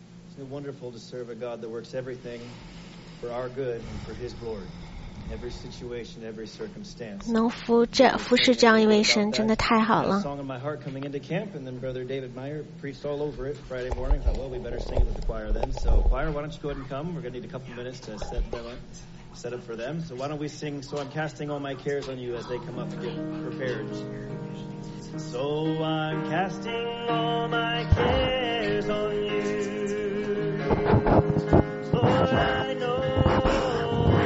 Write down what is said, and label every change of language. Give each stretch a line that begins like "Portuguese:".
English: Isn't it wonderful to serve a God that works everything for our good and for His glory? Every situation, every circumstance.
Chinese: 能服这服侍这样一位神真的太好了。
English: Song in my heart coming into camp, and then Brother David Meyer preached all over it Friday morning. Thought, well, we better sing it with the choir then. So, choir, why don't you go ahead and come? We're gonna need a couple minutes to set up for them. So, why don't we sing? So I'm casting all my cares on you as they come up and get prepared. So I'm casting all my cares on you, Lord. I know.